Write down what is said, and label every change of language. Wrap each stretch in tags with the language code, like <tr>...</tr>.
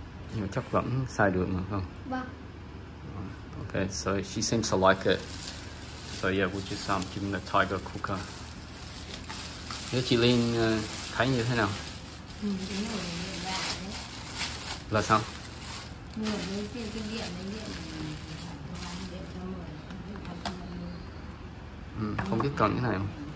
<vi>Nhưng mà chắc vẫn xài được mà không?</vi> <en>Okay, so she seems to like it. So yeah, we'll just give them the Tiger cooker.</en> <vi>Thế chị Lien thấy như thế nào? Là sao? Không biết cần cái này không?</vi>